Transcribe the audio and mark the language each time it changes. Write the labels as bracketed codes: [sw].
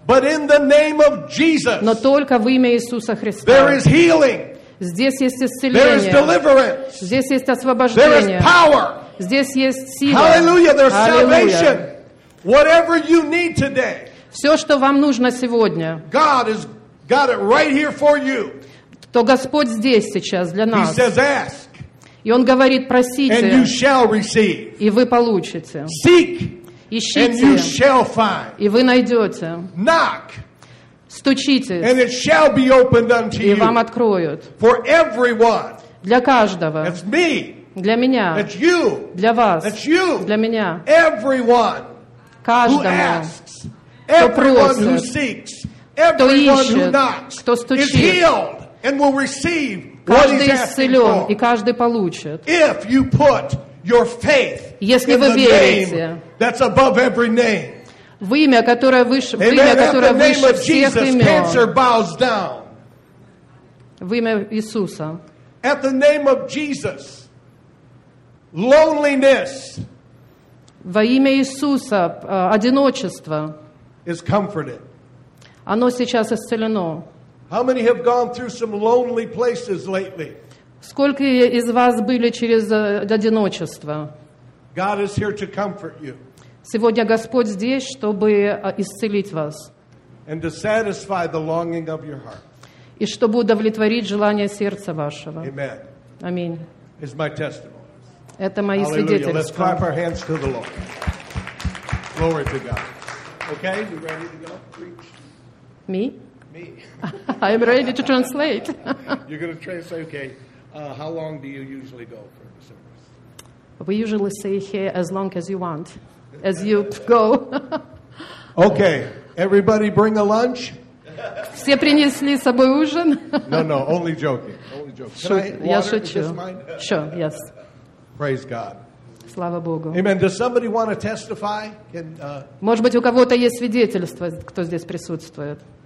[en] but in the name of Jesus, [ru] но только в имя Иисуса Христа. [en] There is healing, [ru] здесь есть исцеление, [en] there is deliverance, [ru] здесь есть освобождение, [en] there is power, [ru] здесь есть сила. [en] Hallelujah, there's salvation. Whatever you need today, [ru] все, что вам нужно сегодня, [en] God has got it right here for you. [ru] То Господь здесь сейчас для нас. [en] He says, ask. [ru] И Он говорит, просите. [en] And you shall receive. [ru] И вы получите. [en] Seek. [ru] Ищите. [en] And you shall find. [ru] И вы найдете. [en] Knock. [ru] Стучите. [en] And it shall be opened unto you. [ru] И вам откроют. [en] For everyone. [ru] Для каждого. [en] It's me. [ru] Для меня. [en] It's you. [ru] Для вас. [en] It's you. [ru] Для меня. [en] Everyone. [ru] Каждому, [en] who asks, everyone who seeks, everyone who knocks, [ru] кто стучит, [en] is healed and will receive what he's asking for. [ru] Каждый исцелен и каждый получит. [en] If you put your faith in the name that's above every name, [ru] в имя, которое выше, в имя, которое выше всех имен, [en] at the name of Jesus, cancer bows down. [ru] В имя Иисуса. [en] At the name of Jesus, loneliness. [ru] Во имя Иисуса одиночество. [en] Is comforted. [ru] Оно сейчас исцелено. [en] How many have gone through some lonely places lately? [ru] Сколько из вас были через одиночество? [en] God is here to comfort you. [ru] Сегодня Господь здесь, чтобы исцелить вас. [en] And to satisfy the longing of your heart. [ru] И чтобы удовлетворить желание сердца вашего. [en] Amen. [ru] Аминь. [en] Is my testimony. [ru] Это мои свидетельства. [en] Let's clap our hands to the Lord. Glory to God. Okay, you ready to go? Preach. Me? Me. I'm ready to translate. You're going to translate, okay. How long do you usually go for the service? We usually stay here as long as you want, as you go. Okay, everybody bring a lunch. [ru] Все принесли с собой ужин. [en] No, only joking. [ru] Я шучу. [en] Sure, yes. Praise God. [ru] Слава Богу. [en] Amen. Does somebody want to testify? Can, [ru] может быть, у кого-то есть свидетельство, кто здесь присутствует?